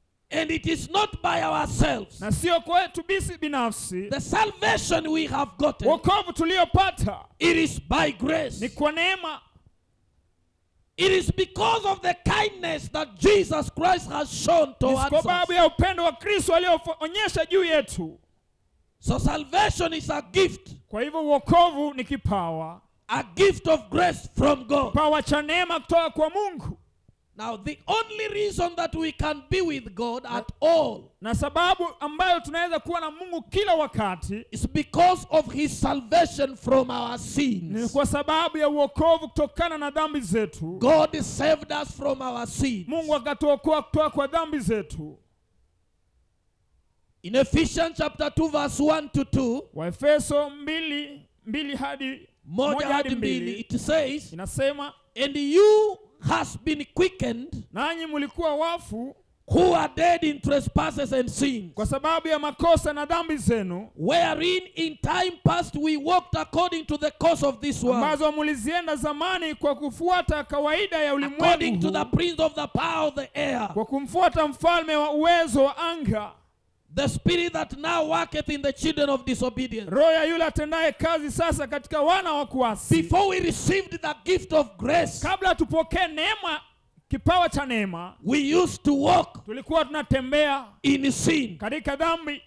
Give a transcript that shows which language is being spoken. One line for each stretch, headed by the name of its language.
English: And it is not by ourselves.
Swahili: Na sio kwetu sisi binafsi.
English: The salvation we have gotten.
Swahili: Wokovu tuliopata.
English: It is by grace.
Swahili: Ni kwa neema.
English: It is because of the kindness that Jesus Christ has shown towards us.
Swahili: Ni kwa sababu ya upendo wa Kristo alioonyesha juu yetu.
English: So salvation is a gift.
Swahili: Kwa hivyo wokovu ni kipawa.
English: A gift of grace from God.
Swahili: Kipawa cha neema kutoka kwa Mungu.
English: Now the only reason that we can be with God at all.
Swahili: Na sababu ambayo tunaweza kuwa na Mungu kila wakati.
English: Is because of his salvation from our sins.
Swahili: Ni kwa sababu ya wokovu kutokana na dhambi zetu.
English: God saved us from our sins.
Swahili: Mungu akatuokoa kutoka kwa dhambi zetu.
English: In Ephesians chapter 2 verse 1 to 2.
Swahili: Wa Efeso 2 hadi 1 hadi 2.
English: It says.
Swahili: Inasema.
English: And you. Has been quickened.
Swahili: Nanyi mulikuwa wafu.
English: Who are dead in trespasses and sins.
Swahili: Kwa sababu ya makosa na dhambi zenu.
English: Wherein in time past we walked according to the course of this world.
Swahili: Ambazo mulizienda zamani kwa kufuata kawaida ya ulimwengu.
English: According to the prince of the power of the air.
Swahili: Kwa kumfuata mfalme wa uwezo wa anga.
English: The spirit that now worketh in the children of disobedience.
Swahili: Roya yula tenaye kazi sasa katika wana wa kuasi.
English: Before we received the gift of grace.
Swahili: Kabla tupoke neema, kipawa cha neema.
English: We used to walk.
Swahili: Tulikuwa tunatembea.
English: In sin.
Swahili: Katika dhambi.